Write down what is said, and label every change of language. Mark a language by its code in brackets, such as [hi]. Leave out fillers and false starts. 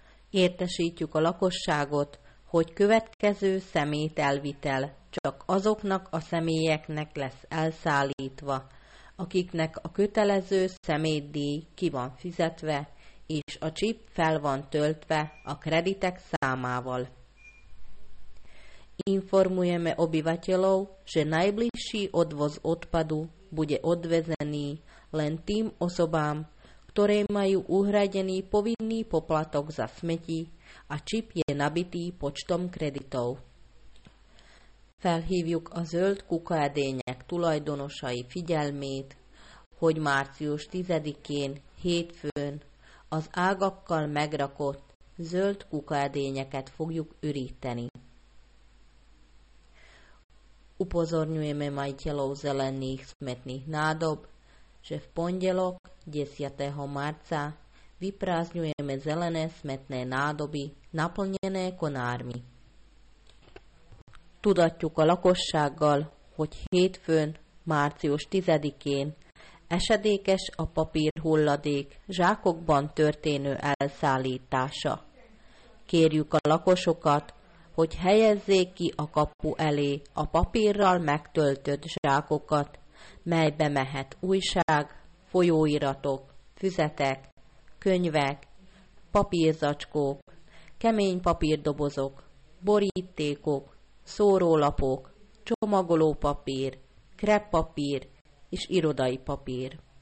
[hu] Értesítjük a lakosságot, hogy következő szemételvitel csak azoknak a személyeknek lesz elszállítva, akiknek a kötelező szemétdíj ki van fizetve, és a chip fel van töltve a kreditek számával. [sk] Informujeme obyvateľov, že najbližší odvoz odpadu bude odvezený len tým osobám, ktoré majú uhradený povinný poplatok za smeti a čip je nabitý počtom kreditov. [hu] Felhívjuk a zöld kukaedények tulajdonosai figyelmét, hogy március 10-én hétfőn az ágakkal megrakott zöld kukaedényeket fogjuk üríteni. [sk] Upozorňujeme majiteľov zelených smetných nádob, že v pondelok 10. marca vyprázdňujeme zelené smetné nádoby naplnené konármi. [hu] Tudatjuk a lakossággal, hogy hétfőn, március 10-én esedékes a papírhulladék zsákokban történő elszállítása. Kérjük a lakosokat, hogy helyezzék ki a kapu elé a papírral megtöltött zsákokat, melybe mehet újság, folyóiratok, füzetek, könyvek, papírzacskók, kemény papírdobozok, borítékok, szórólapok, csomagolópapír, kreppapír és irodai papír.